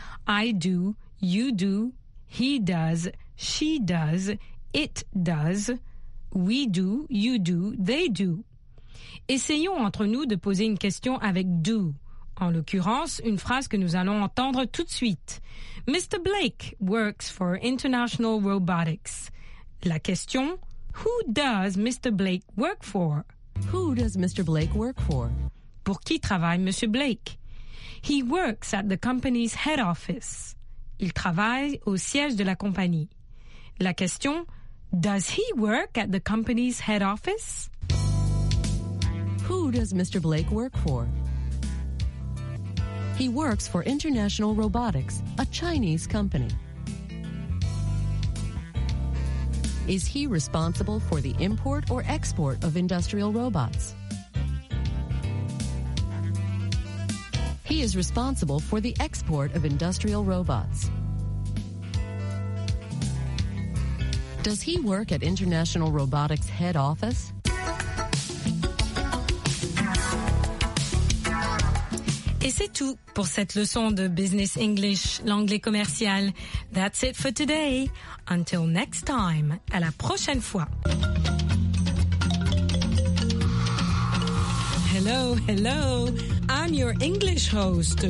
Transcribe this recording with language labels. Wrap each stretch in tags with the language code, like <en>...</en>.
<en>I do, you do, he does, she does, it does. We do, you do, they do.</en> <fr>Essayons entre nous de poser une question avec « do ». En l'occurrence, une phrase que nous allons entendre tout de suite.</fr> <en>« Mr. Blake works for International Robotics ».</en> <fr>La question</fr> <en>« Who does Mr. Blake work for ?»« Who does Mr. Blake work for ?»</en> <fr>Pour qui travaille Monsieur Blake ?«</fr> <en>He works at the company's head office ».</en> <fr>Il travaille au siège de la compagnie. La question</fr> <en>« Does he work at the company's head office? Who does Mr. Blake work for? He works for International Robotics, a Chinese company. Is he responsible for the import or export of industrial robots? He is responsible for the export of industrial robots. Does he work at International Robotics head office?</en> <fr>Et c'est tout pour cette leçon de Business English, l'anglais commercial.</fr> <en>That's it for today. Until next time,</en> <fr>à la prochaine fois.</fr> <en>Hello, hello. I'm your English host.</en>